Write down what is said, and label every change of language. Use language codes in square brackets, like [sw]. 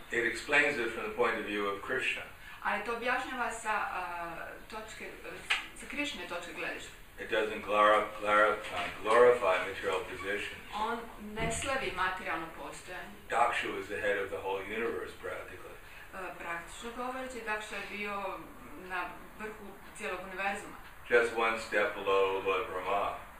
[en] It explains it from the point of view of Krishna. [hr] Ali to objašnjava sa točke, sa Krishne točke gledišta. [en] It doesn't glorify material positions. [hr] On ne slavi materijalno postojanje. [en] Daksha is the head of the whole universe practically. [hr] Praktično govoreći, Daksha je bio na vrhu cijelog univerzuma. [en] Just one step below Lord Brahma.